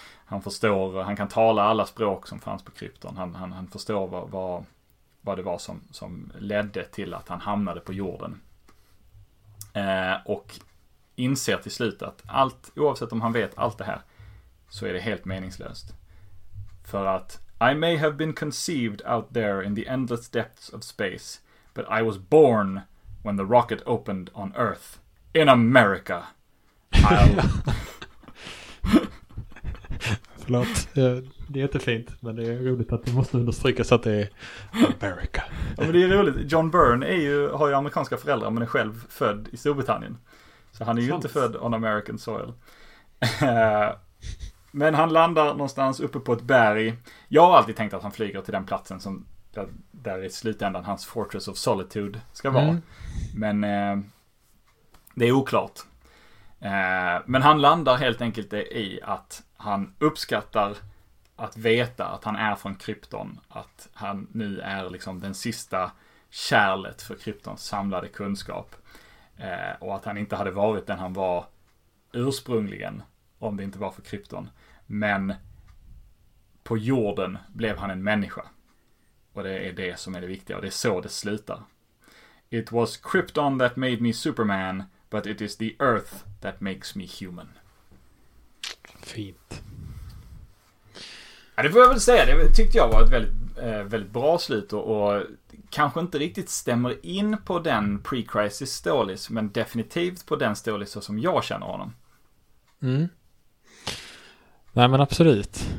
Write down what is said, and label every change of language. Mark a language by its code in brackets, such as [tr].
[sv] Han förstår, han kan tala alla språk som fanns på krypton. Han förstår vad det var som ledde till att han hamnade på jorden. Och inser till slut att allt, oavsett om han vet allt det här, så är det helt meningslöst. För att [en] I may have been conceived out there in the endless depths of space, but I was born when the rocket opened on Earth. In America. [sv] Förlåt, det är jättefint, men det är roligt att du måste understryka så att det är America. Ja, men det är roligt. John Byrne har ju amerikanska föräldrar, men är själv född i Storbritannien. Så han är ju inte född [en] on American soil. [sv] Men han landar någonstans uppe på ett berg. Jag har alltid tänkt att han flyger till den platsen som där i slutändan hans Fortress of Solitude ska vara. Mm. Men Det är oklart. Men han landar helt enkelt i att han uppskattar att veta att han är från Krypton. Att han nu är liksom den sista kärlet för Kryptons samlade kunskap. Och att han inte hade varit den han var ursprungligen, om det inte var för Krypton. Men på jorden blev han en människa. Och det är det som är det viktiga, och det är så det slutar. [en] It was Krypton that made me Superman, but it is the Earth that makes me human. [sv] Fint. Ja, det får jag väl säga. Det tyckte jag var ett väldigt, väldigt bra slut. Och kanske inte riktigt stämmer in på den pre-crisis stories, men definitivt på den stories som jag känner honom. Mm. Nej, men absolut.